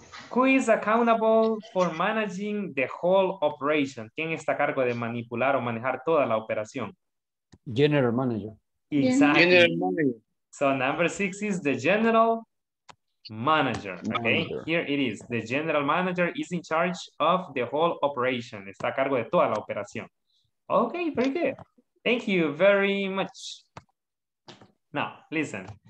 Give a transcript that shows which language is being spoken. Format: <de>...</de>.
<en>Who is accountable for managing the whole operation?</en> <es>¿Quién está a cargo de manipular o manejar toda la operación?</es> <en>General manager. Exactly. General manager. So number six is the general manager, okay? Manager. Here it is. The general manager is in charge of the whole operation.</en> <es>Está a cargo de toda la operación.</es> <en>Okay, very good. Thank you very much. Now, listen.</en>